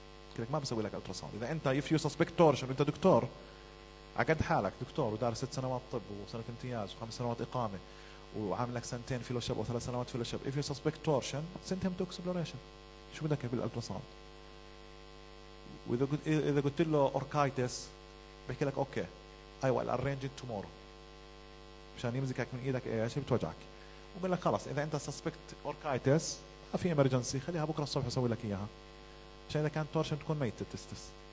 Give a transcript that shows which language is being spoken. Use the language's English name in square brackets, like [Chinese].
[Arabic] بحكي لك ما بسوي لك ألتراساوند. إذا أنت [English] if you suspect [Arabic] تورشن أنت دكتور عقد حالك دكتور ودارس ست سنوات طب وسنة امتياز وخمس سنوات إقامة وعامل لك سنتين فيلوشيب وثلاث سنوات فيلوشيب. [English] If you suspect torsion send him to exploration. [Arabic] شو بدك بالألتراساوند؟ وإذا قلت له أوركايتس بحكي لك أوكي أيوة الأرينج تومورو مشان يمزكك من إيدك إيش بتوجعك وبقول لك خلاص إذا أنت سسبكت أوركايتس في إمرجنسي خليها بكرة الصبح أسوي لك إياها مشان إذا كان تورشن تكون ميت تستس